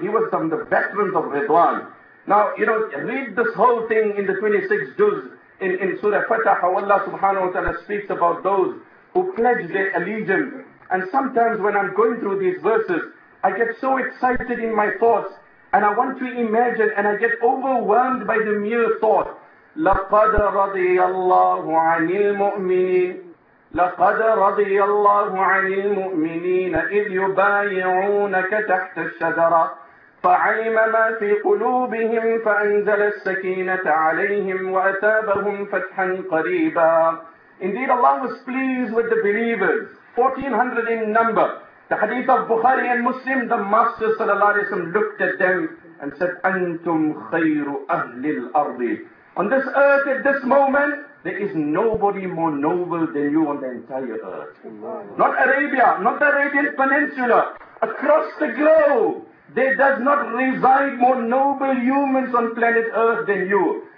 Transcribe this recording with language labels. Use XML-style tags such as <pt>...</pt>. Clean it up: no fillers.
<en>He was from the veterans of Ridwan. Now, you know, read this whole thing in the 26th juz in Surah Fatah, how Allah subhanahu wa ta'ala speaks about those who pledge their allegiance. And sometimes when I'm going through these verses, I get so excited in my thoughts and I want to imagine and I get overwhelmed by the mere thought.</en> <ar>لَقَدْ رَضِيَ اللَّهُ عَنِ الْمُؤْمِنِينَ لَقَدْ رَضِيَ اللَّهُ عَنِ الْمُؤْمِنِينَ إِذْ يُبَايِعُونَكَ تَحْتَ الشَّجَرَةِ فَعَلِمَ مَا فِي قُلُوبِهِمْ فَأَنْزَلَ السَّكِينَةَ عَلَيْهِمْ وَأَثَابَهُمْ فَتْحًا قَرِيبًا</ar> <en>Indeed, Allah was pleased with the believers, 1400 in number. The hadith of Bukhari and Muslim, the Master sallallahu alayhi wa sallam looked at them and said,</en> <ar>أَنْتُمْ خَيْرُ أَهْلِ الْأَرْضِ</ar> <en>On this earth at this moment, there is nobody more noble than you on the entire earth. Not Arabia, not the Arabian Peninsula, across the globe, there does not reside more noble humans on planet earth than you.</en>